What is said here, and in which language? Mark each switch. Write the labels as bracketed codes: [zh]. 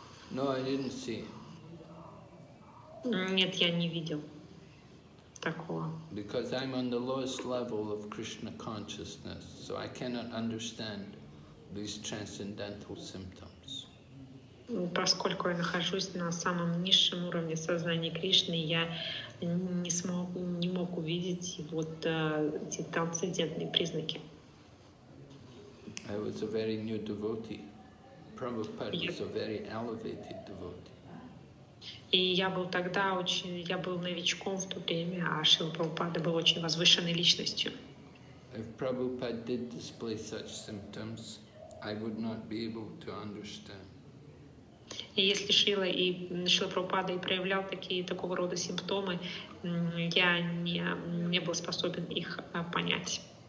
[en] No, I didn't see. [ru] Нет, я не видел такого. [en] Because I'm on the lowest level of Krishna consciousness, so I cannot understand these transcendental symptoms. [ru] поскольку я нахожусь на самом низшем уровне сознания Кришны, я не мог увидеть вот эти трансцендентные признаки. [en] I was a very new devotee. Prabhupada was a very elevated devotee. [ru] И я был тогда очень, я был новичком в то время, а Шрила Прабхупада был очень возвышенной личностью. [en] If Prabhupada did display such symptoms, I would not be able to understand. [ru] И если Шрила Прабхупада и проявлял такие такого рода симптомы, я не был способен их понять.